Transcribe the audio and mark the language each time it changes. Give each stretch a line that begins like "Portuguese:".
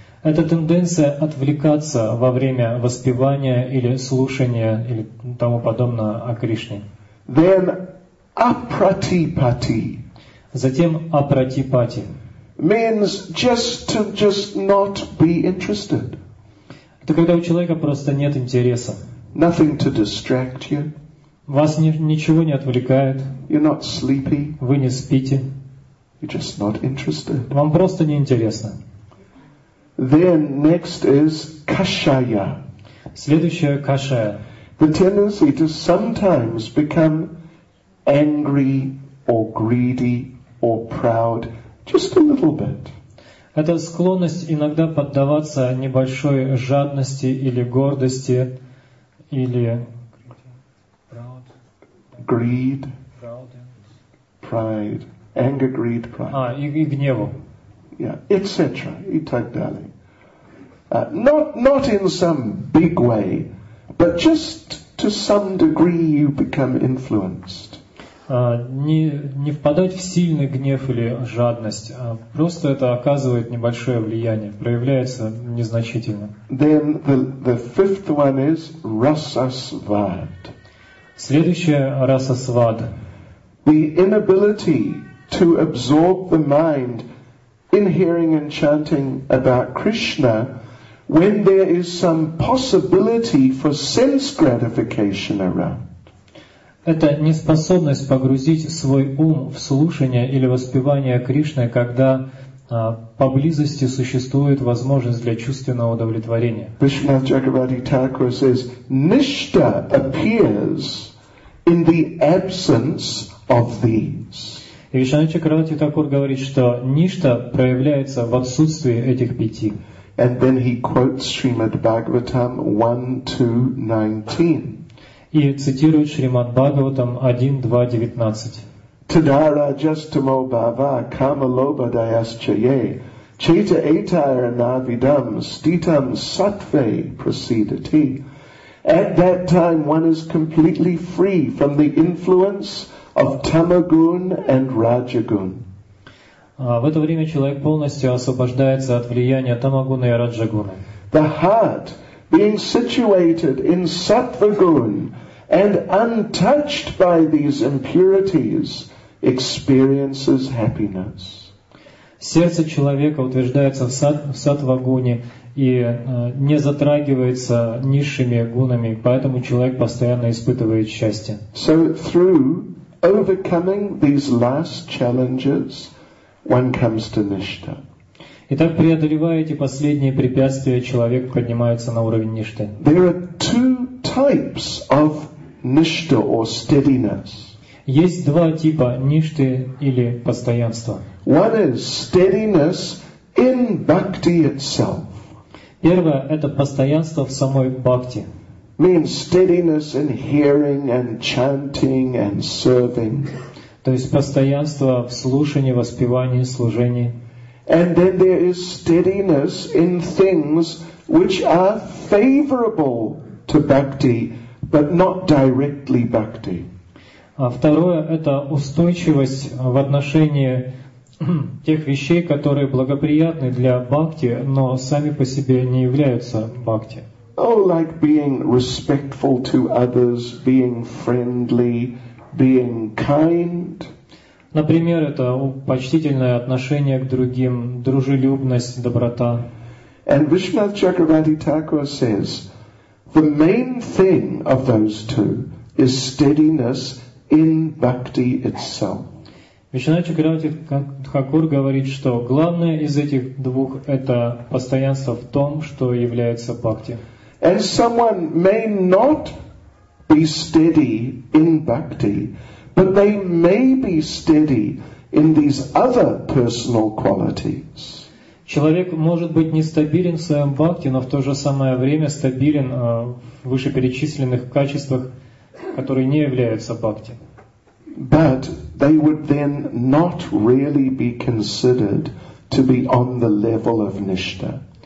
Russian: Это тенденция отвлекаться во время воспевания или слушания или тому подобное о Кришне. Then апратипати. Затем апратипати.
English: Means just not be interested.
Russian: Это когда у человека просто нет интереса.
English: Nothing to distract you.
Russian: Вас ничего не отвлекает.
English: You're not sleepy.
Russian: Вы не спите.
English: You're just not interested.
Russian: Вам просто не интересно.
English: Then next is kashaya.
Russian: Следующее kashaya.
English: The tendency to sometimes become angry or greedy or proud, just a little bit.
Russian: Это склонность иногда поддаваться небольшой жадности или гордости или
English: proud. Greed. Proud. Pride. Anger, greed, pride.
Russian: И гневу.
English: Yeah, etc.
Russian: И так далее.
English: Not in some big way, but just to some degree you become influenced.
Russian: Не впадать в сильный гнев или жадность, а просто это оказывает небольшое влияние, проявляется незначительно.
English: Then the fifth one is rasasvad.
Russian: Следующее rasasvad.
English: The inability to absorb the mind in hearing and chanting about Krishna when there is some possibility for sense gratification around.
Russian: Это неспособность погрузить свой ум в слушание или воспевание Кришны, когда поблизости существует возможность для чувственного удовлетворения.
English: Vishwanath Chakravarti Thakur says, nishta appears in the absence of these.
Russian: И Вишванатха Чакраварти Такур говорит, что ништа проявляется в отсутствии этих пяти.
English: And then he quotes Srimad Bhagavatam 1.2.19.
Russian: И цитирует Шримад Бхагаватам 1.2.19.
Sanskrit: Tadara jastamo bhava kama loba dayascheye cheta etaira navidam stitam sattve prasidati.
English: At that time one is completely free from the influence of tamagun and rajagun.
Russian: В это время человек полностью освобождается от влияния тамагуна и раджагуна.
English: The heart being situated in sattvagun and untouched by these impurities experiences happiness.
Russian: Сердце человека утверждается в сатвагуне и не затрагивается низшими гунами, поэтому человек постоянно испытывает счастье.
English: So through overcoming these last challenges one comes to nishta.
Russian: Итак, преодолевая эти последние препятствия, человек поднимается на уровень ништы.
English: There are two types of nishta or steadiness.
Russian: Есть два типа ништы или постоянства.
English: One is steadiness in bhakti itself.
Russian: Первое – это постоянство в самой бхакти.
English: Means steadiness in hearing and chanting and serving.
Russian: То есть постоянство в слушании, воспевании, служении.
English: And then there is steadiness in things which are favorable to bhakti, but not directly bhakti.
Russian: А второе – это устойчивость в отношении тех вещей, которые благоприятны для бхакти, но сами по себе не являются бхакти.
English: Oh, like being respectful to others, being friendly, being kind.
Russian: Например, это почтительное отношение к другим, дружелюбность, доброта.
English: And Vishwanath Chakravarti Thakur says, the main thing of those two is steadiness in bhakti itself.
Russian: Вишнава Чакравати Тхакур говорит, что главное из этих двух – это постоянство в том, что является бхакти.
English: And someone may not be steady in bhakti, but they may be steady in these other personal qualities.
Russian: Человек может быть нестабилен в своем бхакти, но в то же самое время стабилен в вышеперечисленных качествах, которые не являются бхакти.
English: But they would then not really be considered to be on the level of nishta.